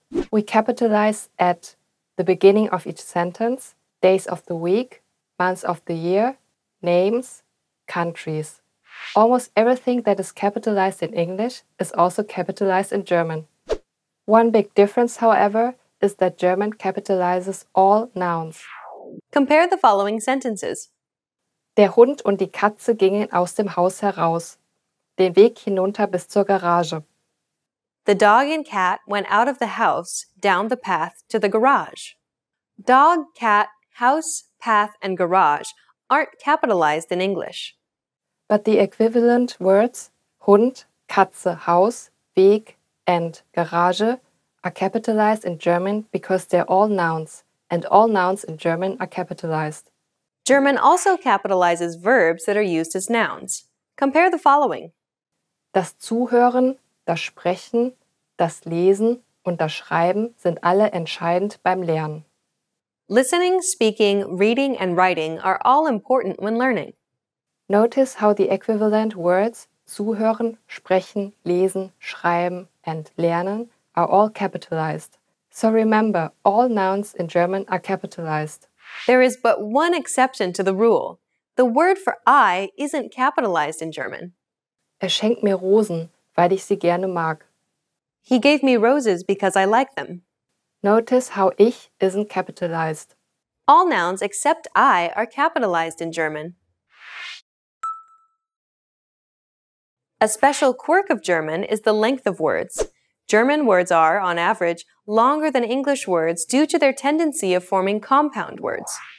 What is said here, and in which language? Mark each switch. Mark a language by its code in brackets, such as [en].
[en] We capitalize at the beginning of each sentence, days of the week, months of the year, names, countries. Almost everything that is capitalized in English is also capitalized in German. One big difference, however, is that German capitalizes all nouns. Compare the following sentences. [de] Der Hund und die Katze gingen aus dem Haus heraus, den Weg hinunter bis zur Garage. [en] The dog and cat went out of the house, down the path to the garage. Dog, cat, house, path, and garage aren't capitalized in English. But the equivalent words Hund, Katze, Haus, Weg, and Garage are capitalized in German because they're all nouns, and all nouns in German are capitalized. German also capitalizes verbs that are used as nouns. Compare the following. [de] Das Zuhören, das Sprechen, das Lesen und das Schreiben sind alle entscheidend beim Lernen. [en] Listening, speaking, reading, and writing are all important when learning. Notice how the equivalent words zuhören, sprechen, lesen, schreiben, and lernen are all capitalized. So remember, all nouns in German are capitalized. There is but one exception to the rule. The word for I isn't capitalized in German. [de] Er schenkt mir Rosen, weil ich sie gerne mag. [en] He gave me roses because I like them. Notice how ich isn't capitalized. All nouns except I are capitalized in German. A special quirk of German is the length of words. German words are, on average, longer than English words due to their tendency of forming compound words.